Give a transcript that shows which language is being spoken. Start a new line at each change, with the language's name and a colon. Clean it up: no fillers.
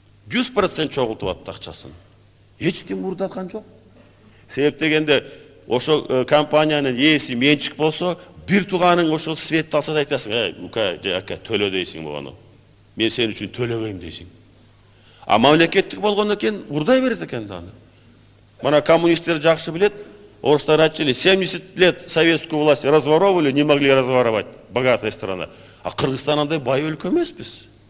Kyrgyz: 100% чогултуп атты акчасын. Эч ким уурдаткан жок. Себеп дегенде ошо компаниянын ээси менчик болсо, бир тууганың ошол светти алса да айтасың, ука, төлө дейсиң буганы. Мен сен үчүн төлөбөйм дейсиң. А мамлекеттик болгондон кийин урдай берет экен да аны. Мына коммунисттер жакшы билет, орустар айтчыли,
Russian: 70 лет советскую власть разворовывали, не могли разворовать, богатая страна.
Kyrgyz: А Кыргызстан андай бай өлкө эмеспиз.